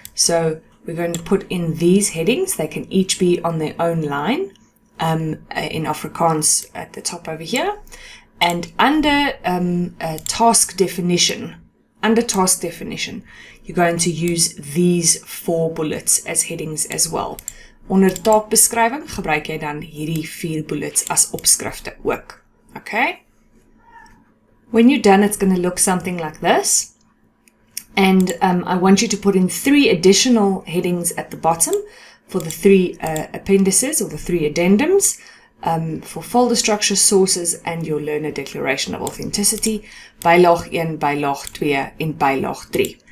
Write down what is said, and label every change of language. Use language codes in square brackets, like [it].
[en] So we're going to put in these headings. They can each be on their own line in Afrikaans at the top over here. And under task definition, you're going to use these 4 bullets as headings as well. [af] Onder taakbeskrywing gebruik jy dan hierdie 4 bullets as opskrifte ook. [en] Okay? When you're done, it's going to look something like this. And I want you to put in 3 additional headings at the bottom for the 3 appendices or the 3 addendums. For folder structure, sources, and your learner declaration of authenticity, bylaag 1, bylaag 2, and bylaag 3.